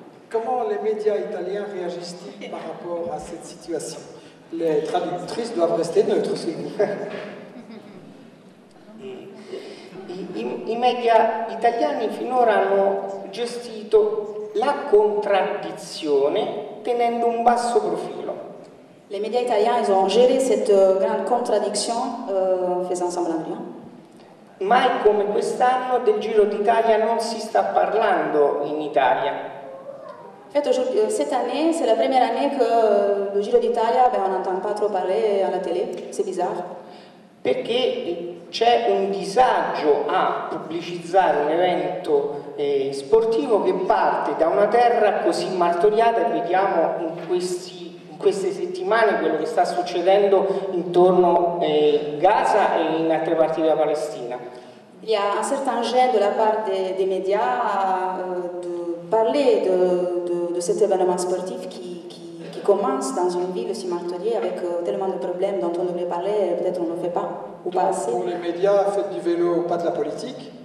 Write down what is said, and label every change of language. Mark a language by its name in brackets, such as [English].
[French] Comment les médias italiens réagissent-ils par rapport à cette situation? Les traductrices doivent rester neutres, s'il vous plaît. [Italian] I media italiani finora hanno gestito la contraddizione tenendo un basso profilo. [French] Les médias italiens, ils ont géré cette grande contraddiction faisant semblant de rien. [Italian] Mai come quest'anno del Giro d'Italia non si sta parlando in Italia. [French] fait, cette année, c'est la première année que le Giro d'Italia, on n'entend pas trop parler à la télé, c'est bizarre. [Italian] Perché c'è un disagio a pubblicizzare un evento sportivo che parte da una terra così martoriata e vediamo in queste settimane quello che sta succedendo intorno a Gaza e in altre parti della Palestina. [French] Il y a un certain gêne de la part des médias de parler de cet événement sportif qui commence dans une ville si martyrée avec tellement de problèmes dont on devrait parler, peut-être on ne le fait pas ou donc, pas assez. Pour les médias, faites du vélo ou pas de la politique.